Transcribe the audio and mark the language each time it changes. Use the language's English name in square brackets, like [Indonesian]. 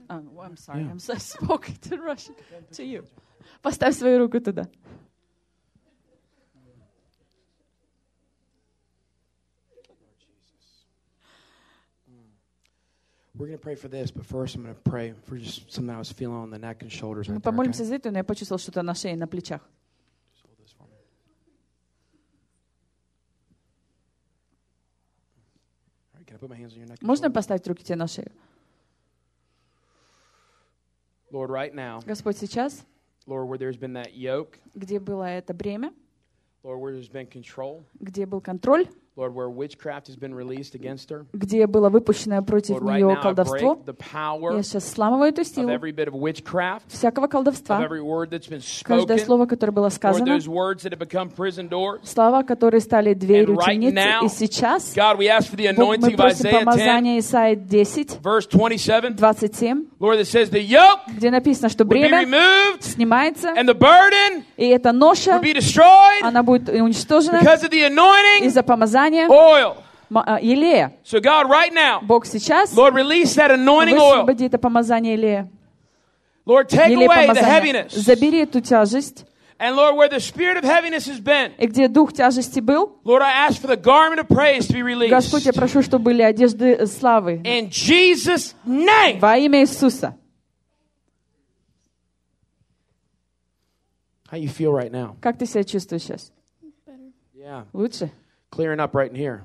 [English] I'm sorry. I spoke it in Russian to you. [Russian] Поставь свою руку туда. [English] We're going to pray for this, but first I'm going to pray for just something I was feeling on the neck and shoulders. [Russian] Мы помолимся за это, но я почувствовал что-то на шее, на плечах. Можно поставить руки тебе на шею? [English] Lord, right now. [Russian] Господь, сейчас. [English] Lord, where there's been that yoke. [Russian] Где было это бремя? [English] Lord, where there's been control. [Russian] Где был контроль? [English] Lord, where witchcraft has been released against her. [Russian] Где было выпущенное против [English] Lord, [Russian] нее [English] right [Russian] колдовство? [English] I break the power. [Russian] Я сейчас сломываю эту силу. [English] Of every bit of witchcraft. [Russian] Всякого колдовства. [English] Of every word that's been spoken. [Russian] Каждое слово, которое было сказано. [English] Lord, those words that have become prison doors. [Russian] Слова, которые стали дверью темницы. [English] And right now, [Russian] и сейчас. [English] God, we ask for the anointing of Isaiah 10. [Russian] Мы просим помазание Исаии 10. [English] Verse 27. 27. Lord, that says the yoke. [Russian] Где написано, что бремя [English] removed, [Russian] снимается. [English] And the burden. [Russian] И эта ноша. [English] Will be destroyed. [Russian] Она будет уничтожена. [English] Because of the anointing. [Russian] Из-за помазания. [English] Oil. So God, right now, [Russian] Бог сейчас, [English] Lord, release that anointing oil. [Russian] Высвободи это помазание Илия. [English] Lord, take away the heaviness. [Russian] Забери эту тяжесть. [English] And Lord, where the spirit of heaviness has been, [Russian] и где дух тяжести был, [English] Lord, I ask for the garment of praise to be released. [Russian] Господь, я прошу, чтобы были одежды славы. [English] In Jesus' name. [Russian] Во имя Иисуса. [English] How you feel right now? [Russian] Как ты себя чувствуешь сейчас? [English] Yeah. [Russian] Лучше. [English] Clearing up right in here.